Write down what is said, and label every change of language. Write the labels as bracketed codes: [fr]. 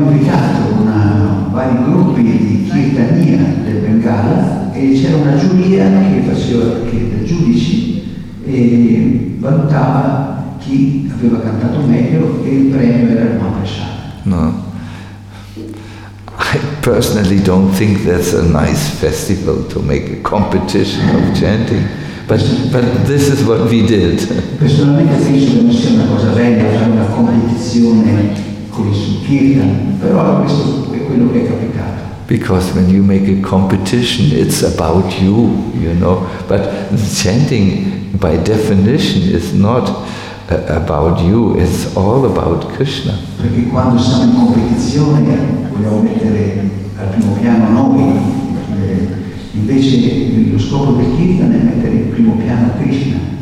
[it] Vari gruppi di kirtania del Bengala e c'era una giuria che faceva che da giudici e valutava chi aveva cantato meglio e il premio era il Mahaprasada. No. [en] I personally don't think that's a nice festival to make a competition of chanting, but this is what we did. [it] Personalmente penso che non sia una cosa bella fare una competizione con il kirtan, però questo [en] because when you make a competition, it's about you, you know. But chanting, by definition, is not about you. It's all about Krishna. [it] Perché quando siamo in competizione, vogliamo mettere al primo piano noi. Invece lo scopo del kirtan è mettere in primo piano Krishna.